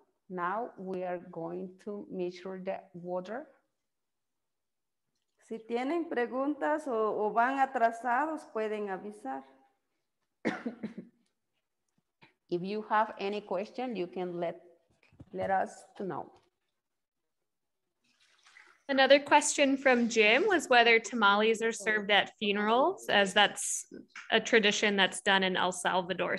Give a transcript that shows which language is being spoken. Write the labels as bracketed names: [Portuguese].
[English] Now, we are going to measure the water. [Spanish] Si tienen preguntas o van atrasados, pueden avisar. [English] If you have any question, you can let us to know. Another question from Jim was whether tamales are served at funerals, as that's a tradition that's done in El Salvador.